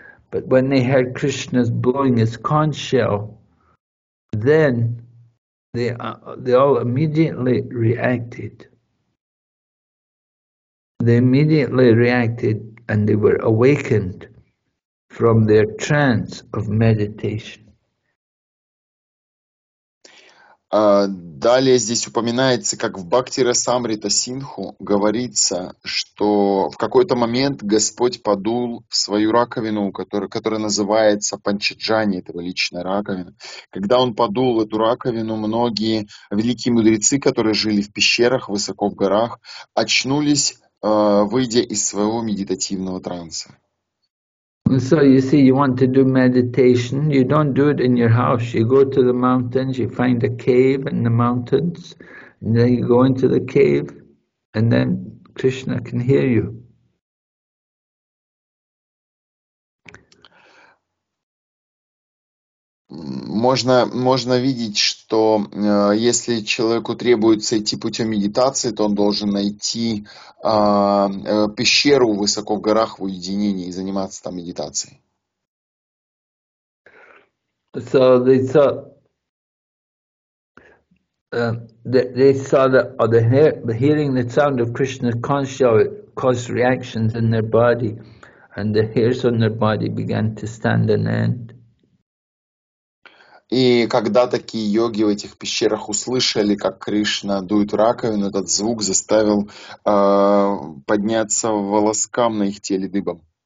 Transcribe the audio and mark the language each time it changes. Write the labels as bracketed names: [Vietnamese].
[English] But when they heard Krishna's blowing his conch shell, then they all immediately reacted. They immediately reacted and they were awakened from their trance of meditation. [Russian] Далее здесь упоминается, как в Бхакти Расамрита Синдху говорится, что в какой-то момент Господь подул в свою раковину, которая называется Панчаджани, это личная раковина. Когда он подул в эту раковину, многие великие мудрецы, которые жили в пещерах, высоко в горах, очнулись, выйдя из своего медитативного транса. [English] So you see, you want to do meditation, you don't do it in your house. You go to the mountains, you find a cave in the mountains, and then you go into the cave, and then Krishna can hear you. Mm-hmm. [Russian] Можно видеть, что если человеку требуется идти путем медитации, то он должен найти пещеру высоко в горах в уединении и заниматься там медитацией. [English] So they saw the hearing the sound of Krishna's conch shell caused reactions in their body, and the hairs on their body began to stand on end. [Russian] И когда такие йоги в этих пещерах услышали, как Кришна дует в раковину, этот звук заставил подняться волоскам на их теле дыбом.